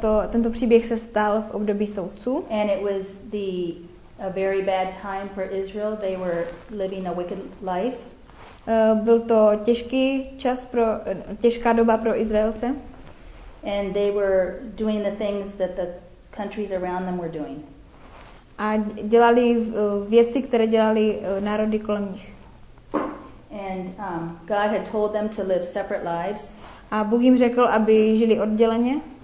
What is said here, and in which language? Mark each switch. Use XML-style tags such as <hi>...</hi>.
<cs>Tento příběh se stal v období soudců.</cs> <en>And it was a very bad time for Israel. They were living a wicked life.</en> <cs>Byl to těžký čas pro těžká doba pro Izraelce.</cs> <en>And they were doing the things that the countries around them were doing.</en> <cs>A dělali věci, které dělali národy kolem nich.</cs> <en>And God had told them to live separate lives.</en> <cs>A Bůh jim řekl, aby žili odděleně.</cs>